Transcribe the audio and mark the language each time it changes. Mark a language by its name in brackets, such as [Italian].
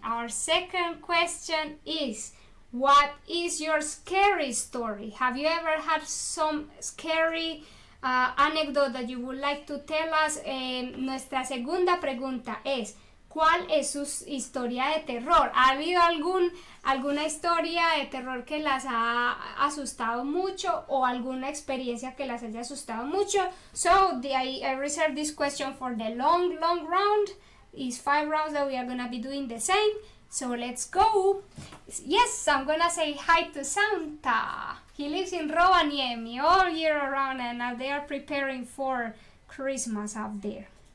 [English] Our second question is, what is your scary story? Have you ever had some scary anecdote that you would like to tell us? [Spanish] Nuestra segunda pregunta es, ¿cuál es su historia de terror? ¿Ha habido alguna historia de terror que las ha asustado mucho o alguna experiencia que las haya asustado mucho? [English] So, I reserve this question for the long, long round. It's 5 rounds that we are going to be doing the same. So, let's go. Yes, I'm going to say hi to Santa. He lives in Rovaniemi all year around and now they are preparing for Christmas up there.